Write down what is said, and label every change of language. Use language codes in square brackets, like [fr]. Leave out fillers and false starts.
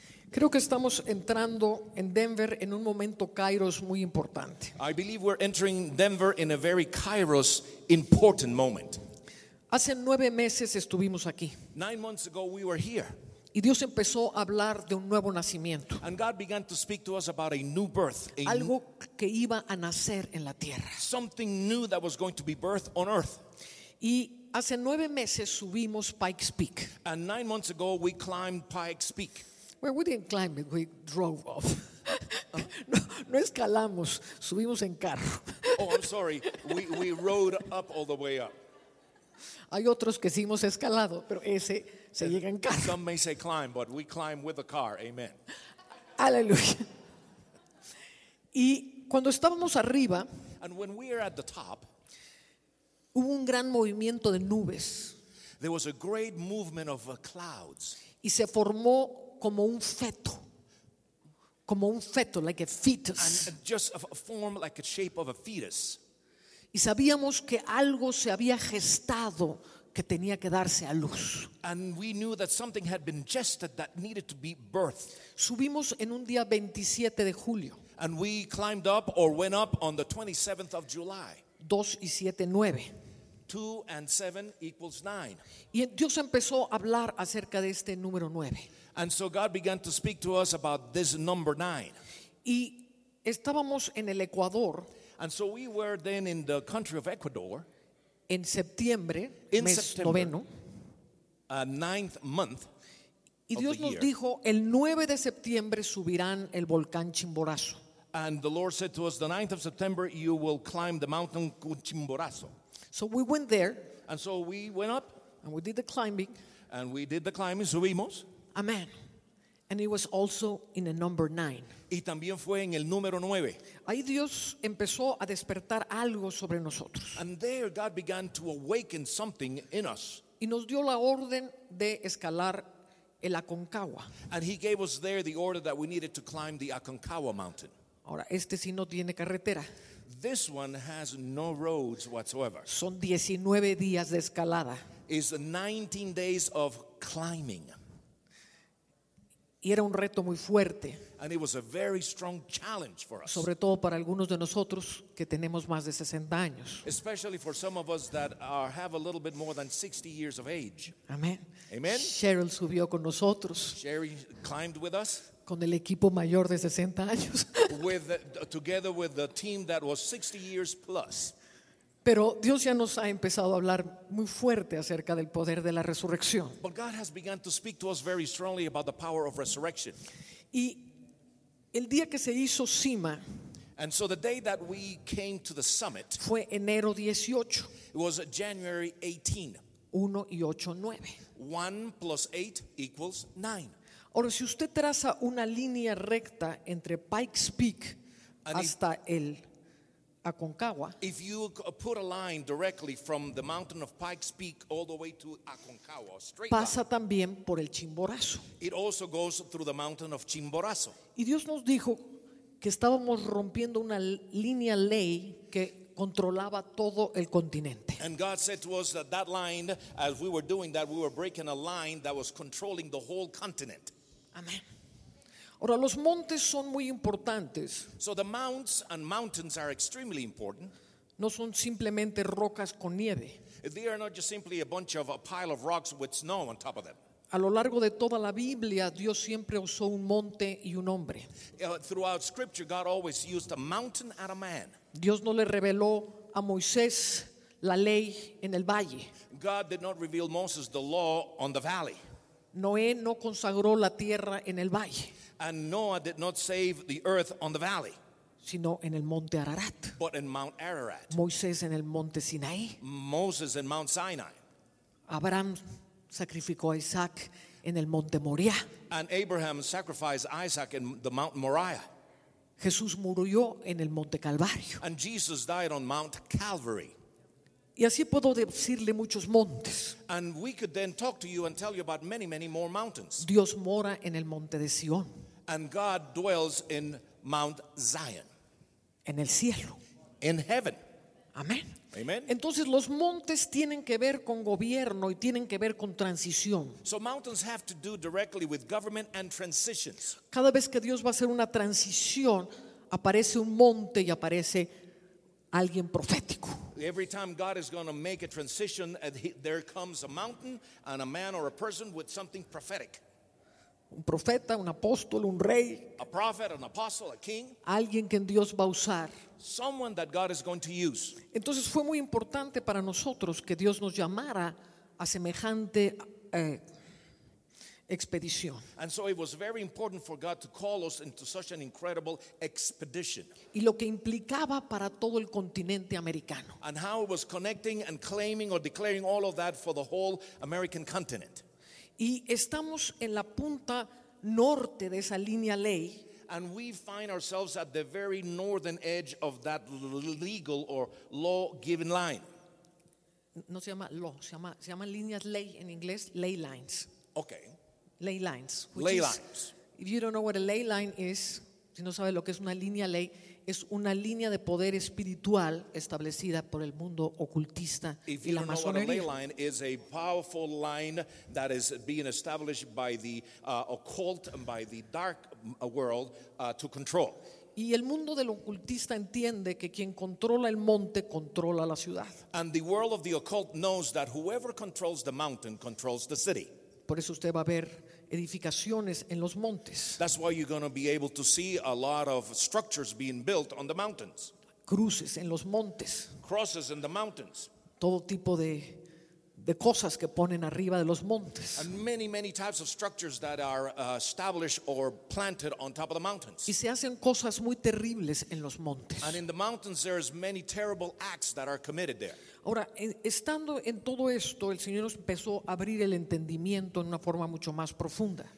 [es] Creo que estamos entrando en Denver en un momento kairos muy importante. [en] I believe we're entering Denver in a very kairos important moment. [es] Hace 9 meses estuvimos aquí. [en] 9 months ago we were here. [es] Y Dios empezó a hablar de un nuevo nacimiento. [en] And God began to speak to us about a new birth. [es] Algo que iba a nacer en la tierra. [en] Something new that was going to be birthed on earth. [es] Y hace 9 meses subimos Pike's Peak. [en] And 9 months ago we climbed Pike's Peak. Well, we didn't climb it, we drove off. [es] No, no escalamos, subimos en carro. [en] Oh, I'm sorry, we rode up all the way up. [es] Hay otros que sí hemos escalado, pero ese se llega en carro. [en] Some may say climb, but we climb with a car, amen. [es] Aleluya. Y cuando estábamos arriba, [en] and when we were at the top, [es] hubo un gran movimiento de nubes. [en] There was a great movement of clouds. [es] Y se formó como un feto. Como un feto, [en] like a fetus. And just a form, like a shape of a fetus. [es] Y sabíamos que algo se había gestado que tenía que darse a luz. [en] And we knew that something had been gestated that needed to be birthed. [es] Subimos en un día 27 de julio. [en] And we climbed up or went up on the 27th of July. [es] 2 y 7, 9. [en] 2 and 7 equals 9. [es] Y Dios empezó a hablar acerca de este número 9. [en] And so God began to speak to us about this number 9. [es] Y estábamos en el Ecuador. [en] And so we were then in the country of Ecuador. [es] En septiembre, in mes September, noveno. [en] A ninth month. [es] Y Dios nos dijo, el 9 de septiembre subirán el volcán Chimborazo. [en] And the Lord said to us, the 9th of September you will climb the mountain Chimborazo. So we went there. And so we went up. And we did the climbing. And we did the climbing, [es] subimos. [en] Amen. And it was also in a number 9. [es] Y también fue en el número 9. Ahí Dios empezó a despertar algo sobre nosotros. [en] And there God began to awaken something in us. [es] Y nos dio la orden de escalar el Aconcagua. [en] And he gave us there the order that we needed to climb the Aconcagua mountain. [es] Ahora, este sí no tiene carretera. [en] This one has no roads whatsoever. [es] Son 19 días de escalada. [en] It's 19 days of climbing. [es] Y era un reto muy fuerte. [en] And it was a very strong challenge for us. [es] Sobre todo para algunos de nosotros que tenemos más de 60 años. [en] Especially for some of us that are, have a little bit more than 60 years of age. Amen. Amen. [es] Cheryl subió con nosotros. [en] Sherry climbed with us. [es] Con el equipo mayor de 60 años. [en] With, together with the team that was 60 years plus. [es] Pero Dios ya nos ha empezado a hablar muy fuerte acerca del poder de la resurrección. [en] But God has begun to speak to us very strongly about the power of resurrection. [es] Y el día que se hizo cima. [en] And so the day that we came to the summit. [es] Fue enero 18. [en] It was January 18. [es] 1 y 8, 9. [en] 1 plus 8 equals 9. [es] Ahora, si usted traza una línea recta entre Pike's Peak hasta el Aconcagua. [en] If you put a line directly from the mountain of Pike's Peak all the way to Aconcagua, straight [es] pasa [en] up, [es] también por el Chimborazo. [en] It also goes through the mountain of Chimborazo. [es] Y Dios nos dijo que estábamos rompiendo una línea ley que controlaba todo el continente. [en] And God said to us that that line, as we were doing that, we were breaking a line that was controlling the whole continent. [es] Amén. Ahora, los montes son muy importantes. [en] So the mounts and mountains are extremely important. [es] No son simplemente rocas con nieve. [en] They are not just simply a bunch of a pile of rocks with snow on top of them. [es] A lo largo de toda la Biblia, Dios siempre usó un monte y un hombre. [en] Throughout scripture, God always used a mountain and a man. [es] Dios no le reveló a Moisés la ley en el valle. [en] God did not reveal Moses the law on the valley. [es] Noé no consagró la tierra en el valle. [en] And Noah did not save the earth on the valley. [es] Sino en el monte Ararat. [en] But in Mount Ararat. [es] Moisés en el monte Sinaí. [en] Moses in Mount Sinai. [es] Abraham sacrificó a Isaac en el monte Moriah. [en] And Abraham sacrificed Isaac in the Mount Moriah. [es] Jesús murió en el monte Calvario. [en] And Jesus died on Mount Calvary. [es] Y así puedo decirle muchos montes. [en] And we could then talk to you and tell you about many, many more mountains. [es] Dios mora en el monte de Sion. [en] And God dwells in Mount Zion. [es] En el cielo. [en] In heaven. [es] Amén. [en] Amen. [es] Entonces los montes tienen que ver con gobierno y tienen que ver con transición. [en] So mountains have to do directly with government and transitions. [es] Cada vez que Dios va a hacer una transición, aparece un monte y aparece alguien profético. [en] Every time God is going to make a transition, there comes a mountain and a man or a person with something prophetic. [es] Un profeta, un apóstol, un rey. [en] A prophet, an apostle, a king. [es] Alguien que Dios va a usar. [en] Someone that God is going to use. [es] Entonces fue muy importante para nosotros que Dios nos llamara a semejante expedición. [en] And so it was very important for God to call us into such an incredible expedition. [es] Y lo que implicaba para todo el continente americano. [en] And how it was connecting and claiming or declaring all of that for the whole American continent. [es] Y estamos en la punta norte de esa línea ley. [en] And we find ourselves at the very northern edge of that legal or law-given line. [es] No se llama law, se llama líneas ley en inglés, ley lines. [en] Okay. Ley lines. Ley lines. If you don't know what a ley line is, [es] si no sabes lo que es una línea ley, es una línea de poder espiritual establecida por el mundo ocultista y la masonería. [en] A ley line is a powerful line that is being established by the occult and by the dark world to control. [es] Y el mundo del ocultista entiende que quien controla el monte controla la ciudad. [en] And the world of the occult knows that whoever controls the mountain controls the city. [es] Por eso usted va a ver edificaciones en los montes. [en] That's why you're going to be able to see a lot of structures being built on the mountains. [es] Cruces en los montes. [en] Crosses in the mountains. [es] Todo tipo de cosas que ponen arriba de los montes. [en] And many, many types of structures that are established or planted on top of the mountains. [es] Y se hacen cosas muy terribles en los montes. [en] And in the mountains there is many terrible acts that are committed there. [es] Ahora, estando en todo esto, el Señor nos empezó a abrir el entendimiento en una forma mucho más profunda.